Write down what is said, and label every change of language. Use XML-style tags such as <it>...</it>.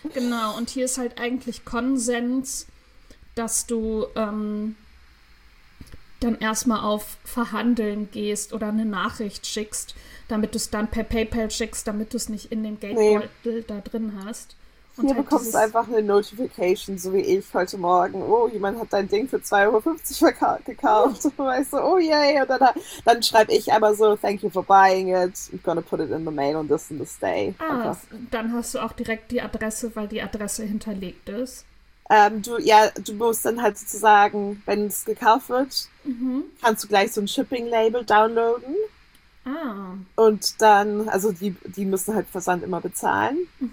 <de>Genau, und hier ist halt eigentlich Konsens, dass du dann erstmal auf Verhandeln gehst oder eine Nachricht schickst, damit du es dann per PayPal schickst, damit du es nicht in dem Geldbeutel da drin hast. Und hier halt bekommst du einfach eine Notification, so wie ich heute Morgen. Oh, jemand hat dein Ding für 2,50 Euro gekauft. Und weißt du, oh yay. Und dann schreibe ich einmal so,</de> <en>thank you for buying it. I'm gonna put it in the mail on this and this day.</en> <de>Ah, dann hast du auch direkt die Adresse, weil die Adresse hinterlegt ist. Du musst dann halt sozusagen, wenn es gekauft wird, kannst du gleich so ein Shipping-Label downloaden. Ah. Und dann, also die müssen halt Versand immer bezahlen. Mhm.</de>